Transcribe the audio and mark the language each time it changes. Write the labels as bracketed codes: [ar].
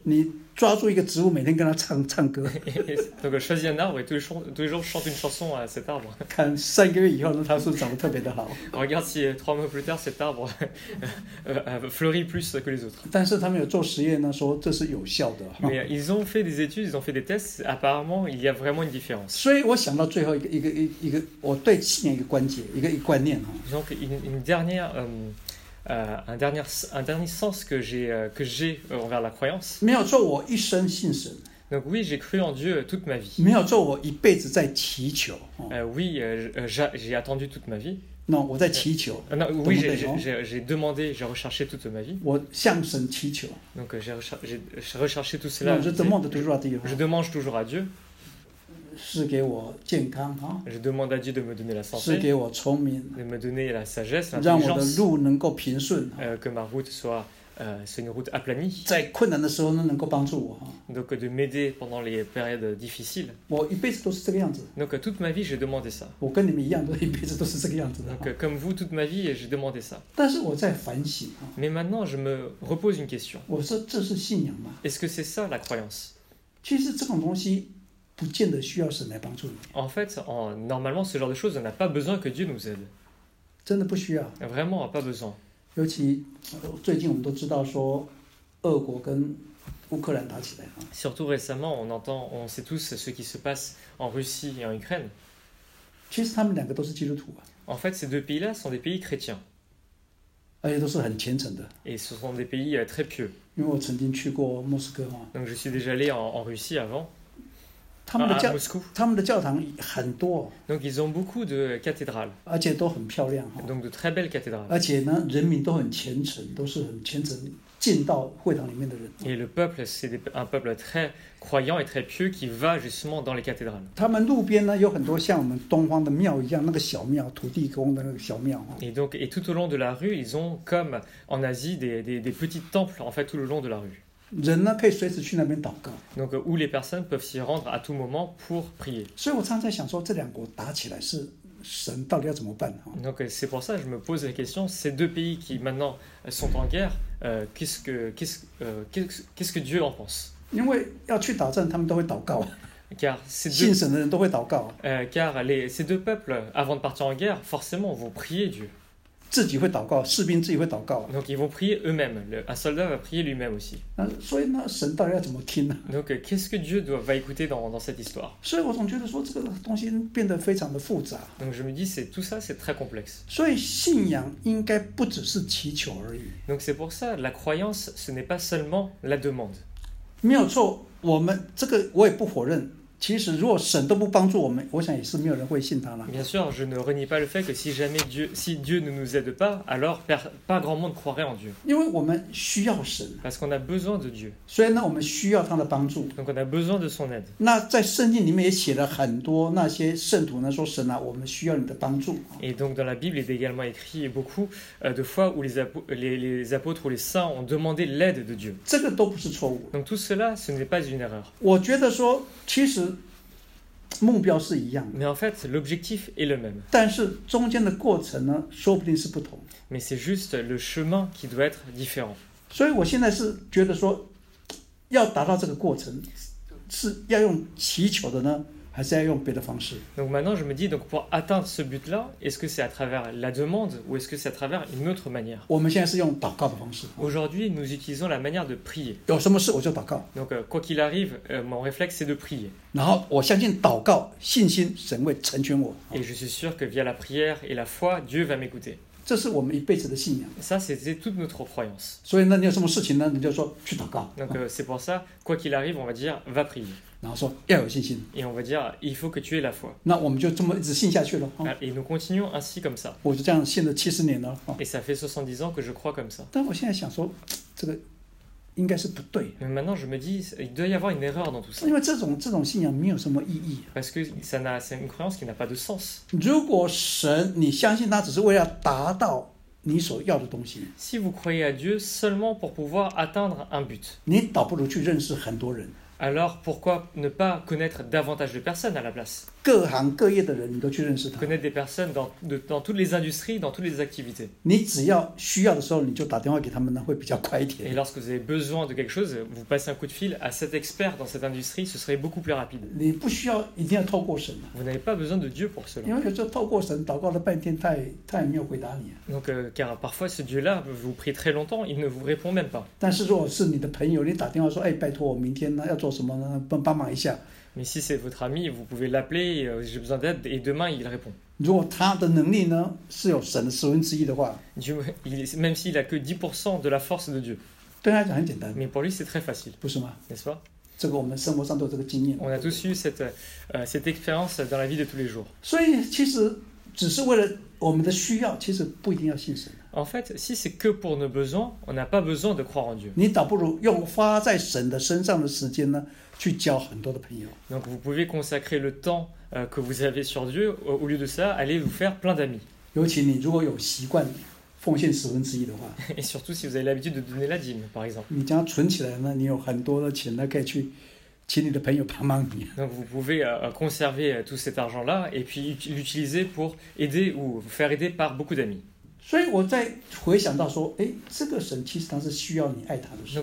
[zh] 你抓住一个植物，每天跟它唱歌。 [fr] Donc, choisis un arbre et tous les jours chante une chanson à cet arbre. [zh] 看三个月以后呢，它是长得特别的好。 [fr] Regarde si trois mois plus tard, cet arbre fleurit plus que les autres. [zh] 但是他们有做实验呢，说这是有效的。 [fr] Mais ils ont fait des études, ils ont fait des tests. Apparemment, il y a vraiment une différence. [zh] 所以我想到最后一个我对信仰一个关键，一个观念啊。 [fr] Donc, une dernière. Un dernier sens que j'ai envers la croyance. [zh] 没有错，我一生信神。 [fr] Donc oui, j'ai cru en Dieu toute ma vie. [zh] 没有错，我一辈子在祈求。 [fr] Oui, j'ai attendu toute ma vie. [zh] Non, 我在祈求。 [fr] Non, oui, j'ai demandé, j'ai recherché toute ma vie. [zh] 我向神祈求。 [fr] Donc j'ai recherché tout cela. Non, je demande toujours à Dieu. Je demande toujours à Dieu. [zh] 是给我健康哈。 [fr] Je demande à Dieu de me donner la santé. [zh] 是给我聪明。 [fr] De me donner la sagesse, [zh] l'intelligence. 让我的路能够平顺。 [fr] Que ma route soit, c'est une route aplanie. [zh] 在困难的时候呢，能够帮助我哈。 [fr] Donc de m'aider pendant les périodes difficiles. [zh] 我一辈子都是这个样子。 [fr] Donc toute ma vie j'ai demandé ça. [zh] 我跟你们一样，一辈子都是这个样子的。 [fr] Donc comme vous toute ma vie j'ai demandé ça. [zh] 但是我在反省哈。 [fr] Mais maintenant je me repose une question. [zh] 我说这是信仰吗 [fr] ？Est-ce que c'est ça la croyance？ [zh] 其实这种东西。不见得需要神来帮助你。 [fr] En fait, normalement, ce genre de choses, on n'a pas besoin que Dieu nous aide. [zh] 真的不需要。 [fr] Vraiment, pas besoin. [zh] 尤其最近我们都知道说，俄国跟乌克兰打起来了。 [fr] Surtout récemment, on sait tous ce qui se passe en Russie et en Ukraine. [zh] 其实他们两个都是基督徒啊。 [fr] En fait, ces deux pays-là sont des pays chrétiens. [zh] 而且都是很虔诚的。 [fr] Et ce sont des pays très pieux. [zh] 因为我曾经去过莫斯科嘛。 [fr] Donc, je suis déjà allé en Russie avant. [zh] 他们的教堂很多。 [fr] Donc ils ont beaucoup de cathédrales. [zh] 而且都很漂亮。 [fr] Donc de très belles cathédrales. [zh] 而且呢，人民都很虔诚，都是很虔诚进到会堂里面的人。 [fr] Et le peuple, c'est un peuple très croyant et très pieux qui va justement dans les cathédrales. [zh] 他们路边呢有很多像我们东方的庙一样那个小庙，土地公的那个小庙。 [fr] Et donc, et tout au long de la rue, ils ont comme en Asie des petits temples en fait tout le long de la rue. [zh] 人呢可以随时去那边祷告。 [fr] Donc où les personnes peuvent s'y rendre à tout moment pour prier. [zh] 所以我常在想说，这两国打起来是神到底要怎么办呢 [fr] ？Donc c'est pour ça que je me pose la question. Ces deux pays qui maintenant sont en guerre, qu'est-ce que Dieu en pense? [zh] 因为要去打仗，他们都会祷告。 [fr] Car ces deux, [zh] 信神的人都会祷告。 [fr] Car les ces deux peuples avant de partir en guerre, forcément vont prier Dieu. [zh] 自己会祷告，士兵自己会祷告。 [fr] Donc ils vont prier eux-mêmes. Un soldat va prier lui-même aussi. [zh] 那所以呢，神到底要怎么听呢 [fr] ？Donc qu'est-ce que Dieu va écouter dans cette histoire？ [zh] 所以我总觉得说这个东西变得非常的复杂。 [fr] Donc je me dis c'est tout ça c'est très complexe. [zh] 所以信仰应该不只是祈求而已。 [fr] Donc c'est pour ça la croyance ce n'est pas seulement la demande. [zh] 没有错，我们这个我也不否认。其实如果神都不帮助我们，我想也是没有人会信他了。 [fr] Bien sûr, je ne renie pas le fait que si jamais Dieu, si Dieu ne nous aide pas, alors pas grand monde croirait en Dieu. [zh] 因为我们需要神。 [fr] Parce qu'on a besoin de Dieu. [zh] 所以呢，我们需要他的帮助。 [fr] Donc on a besoin de son aide. [zh] 那在圣经里面也写了很多那些圣徒呢，说神啊，我们需要你的帮助。 [fr] Et donc dans la Bible est également écrit beaucoup de fois où les apôtres ou les saints ont demandé l'aide de Dieu. [zh] 这个都不是错误。 [fr] Donc tout cela, ce n'est pas une erreur. [zh] 我觉得说，其实目标是一样的。 [fr] Mais en fait, l'objectif est le même. [zh] 但是中间的过程呢，说不定是不同。 [fr] Mais c'est juste le chemin qui doit être différent. [zh] 所以我现在是觉得说，要达到这个过程，是要用祈求的呢，还是要用别的方式？ [fr] Donc maintenant, je me dis, donc pour atteindre ce but-là, est-ce que c'est à travers la demande ou est-ce que c'est à travers une autre manière? [zh] 我们现在是用祷告的方式。 [fr] Aujourd'hui, nous utilisons la manière de prier. [zh] 有什么事我就祷告。 [fr] Donc quoi qu'il arrive, mon réflexe c'est de prier. [zh] 然后我相信祷告信心神会成全我。 [fr] Et je suis sûr que via la prière et la foi, Dieu va m'écouter. [zh] 这是我们一辈子的信仰。 [fr] Ça, c'est toute notre croyance. [zh] 所以那你有什么事情呢？你就说去祷告。 [fr] Donc c'est pour ça, quoi qu'il arrive, on va dire, va prier. [zh] 然后说要有信心。 [fr] Et on va dire, il faut que tu aies la foi. [zh] 那我们就这么一直信下去了。 [fr] Et nous continuons ainsi comme ça. [zh] 我就这样信了七十年了。 [fr] Et ça fait 70 ans que je crois comme ça. [zh] 但我现在想说，这个。应该是不对。 [fr] Mais maintenant, je me dis, il doit y avoir une erreur dans tout ça. [zh] 因为这种信仰没有什么意义。 [fr] Parce que c'est une croyance qui n'a pas de sens. [zh] 如果神，你相信他只是为了达到你所要的东西。 [fr] Si vous croyez à Dieu seulement pour pouvoir atteindre un but. [zh] 你倒不如去认识很多人。 [fr] Alors pourquoi ne pas connaître davantage de personnes à la place? [zh] 各行各业的人你都去认识他。 [fr] Connaître des personnes dans toutes les industries, dans toutes les activités. [zh] 你只要需要的时候你就打电话给他们呢，会比较快一点。 [fr] Et lorsque vous avez besoin de quelque chose, vous passez un coup de fil à cet expert dans cette industrie, ce serait beaucoup plus rapide. [zh] 你不需要一定要透过神。 [fr] Vous n'avez pas besoin de Dieu pour cela. [zh] 因为有时候透过神祷告了半天，他也没有回答你。 [fr] Donc, car parfois ce Dieu-là vous prie très longtemps, il ne vous répond même pas. [zh] 但是如果是你的朋友，你打电话说，哎，拜托我明天呢要做什么呢，帮忙一下。 [fr] Mais si c'est votre ami, vous pouvez l'appeler, j'ai besoin d'aide, et demain il répond. [zh] 如果他的能力呢是有神的十分之一的话， [fr] Dieu, même s'il a que 10% de la force de Dieu. [zh] 对他讲很简单。 [fr] Mais pour lui c'est très facile. [zh] 不是吗？ [fr] N'est-ce pas? [zh] 这个我们生活上都有这个经验。 [fr] On a tous eu cette expérience dans la vie de tous les jours. [zh] 所以其实只是为了我们的需要，其实不一定要信神。 [fr] En fait, si c'est que pour nos besoins, on n'a pas besoin de croire en Dieu. [zh] 你倒不如用花在神的身上的时间呢，去交很多的朋友。 [fr] Donc vous pouvez consacrer le temps que vous avez sur Dieu, au lieu de ça, allez vous faire plein d'amis. [zh] 尤其你如果有习惯奉献十分之一的话。 [fr] Et surtout si vous avez l'habitude de donner la dîme, par exemple. [zh] 你将存起来呢，你有很多的钱呢，可以去请你的朋友帮忙你。 [fr] Donc vous pouvez conserver tout cet argent-là et puis l'utiliser pour aider ou vous faire aider par beaucoup d'amis. [zh] 所以我在回想到说，哎，这个神其实他是需要你爱他的神。